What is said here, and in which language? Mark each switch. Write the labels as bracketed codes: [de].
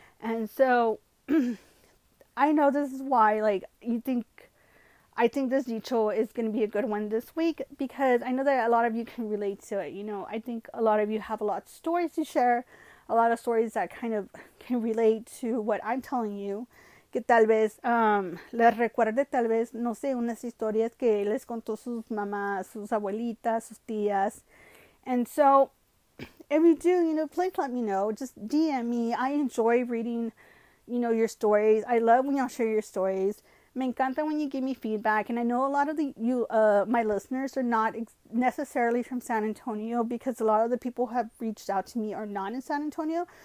[en] And so I know this is why, like, I think this dicho is going to be a good one this week because I know that a lot of you can relate to it. You know, I think a lot of you have a lot of stories to share, a lot of stories that kind of can relate to what I'm telling you. [es] Que tal vez les recuerde, tal vez, no sé, unas historias que les contó sus mamás, sus abuelitas, sus tías. [en] And so, if you do, you know, please let me know. Just DM me. I enjoy reading, you know, your stories. I love when y'all share your stories. [es] Me encanta [en] when you give me feedback. And I know a lot of my listeners are not ex necessarily from San Antonio because a lot of the people who have reached out to me are not in San Antonio.